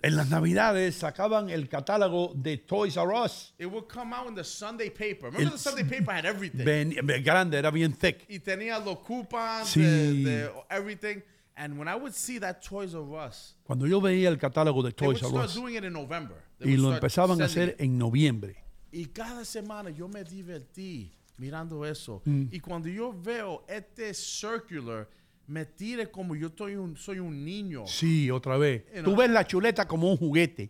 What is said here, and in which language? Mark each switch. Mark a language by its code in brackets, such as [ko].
[es] En las Navidades sacaban el catálogo de Toys R Us. [en] It would come out in the Sunday paper. Remember the Sunday paper had everything. [es] Bien grande, era bien [en] thick. [es] Y tenía los coupons, sí. de [en] everything. And when I would see that Toys R Us. [es] Cuando yo veía el catálogo de Toys R Us. [en] They would start doing it in November. [es] Y lo empezaban a hacer en noviembre. Y cada semana yo me divertí mirando eso. Y cuando yo veo este circular, me tire como yo soy un niño. Sí, otra vez. Tú ves la chuleta como un juguete.